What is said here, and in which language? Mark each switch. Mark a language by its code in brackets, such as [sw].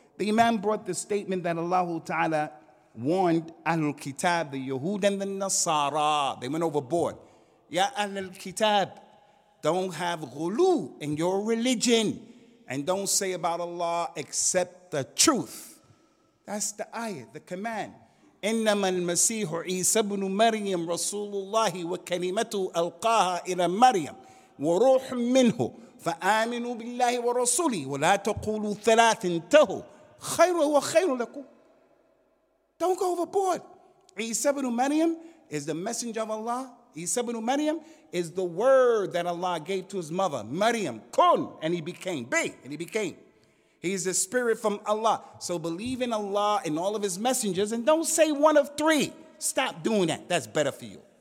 [en] The imam brought the statement that Allah Ta'ala warned Ahlul Kitab, the Yahud and the Nasara. They went overboard. Ya Ahlul Kitab, don't have ghulu in your religion. And don't say about Allah except the truth. That's the ayah, the command. [ar] إنما المسيح عيسى بن مريم رسول الله وكلمته ألقاها إلى مريم وروح منه فآمنوا بالله ورسوله ولا تقولوا ثلاث انتهوا خير وخير لكم. [en] Don't go overboard. عيسى بن مريم is the messenger of Allah. عيسى بن مريم is the word that Allah gave to his mother Maryam. كن and he became. Be and he became. He is the spirit from Allah. So believe in Allah and all of his messengers and don't say one of three. Stop doing that. That's better for you.